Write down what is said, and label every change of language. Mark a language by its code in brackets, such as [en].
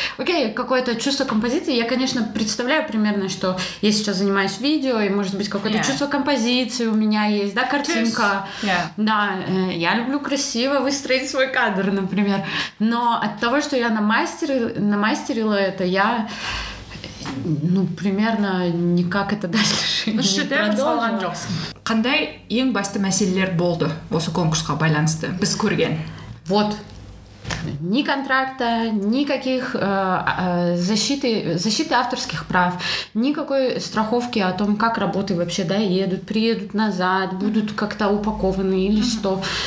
[ru] Окей, какое-то чувство композиции. Я, конечно, представляю примерно, что я сейчас занимаюсь видео, и, может быть, какое-то чувство композиции у меня есть, да, картинка. Да, я люблю красиво выстроить свой кадр, например. Но от того, что я намастерила это, я... Ну, примерно никак это дальше не продолжилось. [kk] Қандай ең басты мәселелер болды осы конкурсқа байланысты? Біз көрген. [ru] Вот. Ни контракта, никаких защиты авторских прав, никакой страховки о том, как работы вообще доедут, приедут назад, будут как-то упакованы или что.